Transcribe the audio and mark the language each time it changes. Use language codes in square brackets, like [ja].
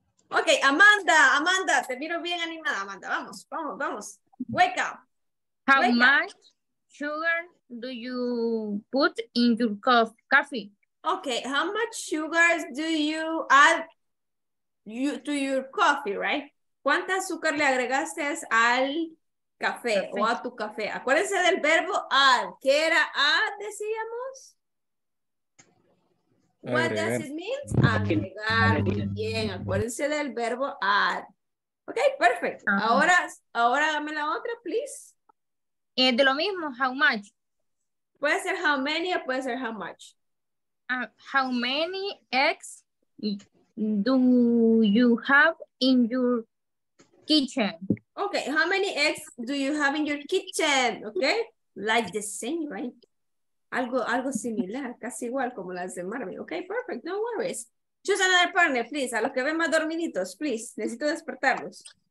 [es] Okay, Amanda, te miro bien animada, Amanda. Vamos. [en] Wake up. How much sugar do you put in your coffee? Okay, how much sugar do you add to your coffee, right? [es] ¿Cuánta azúcar le agregaste al café o a tu café? Acuérdense del verbo add. ¿Qué era add, decíamos? [en] What does it mean? [es] Agregar. Muy bien. Acuérdense del verbo add. [en] Ok, perfect. [es] Uh-huh. Ahora dame la otra, please. De lo mismo, how much. Puede ser how many o puede ser how much. [en] How many eggs do you have in your kitchen? Ok, how many eggs do you have in your kitchen? Ok, like the same, right? [es] Algo similar, casi igual como las de Marvin. [en] Ok, perfect, no worries. Choose another partner, please. [es] A los que ven más dormiditos, [en] please. [es] Necesito despertarlos.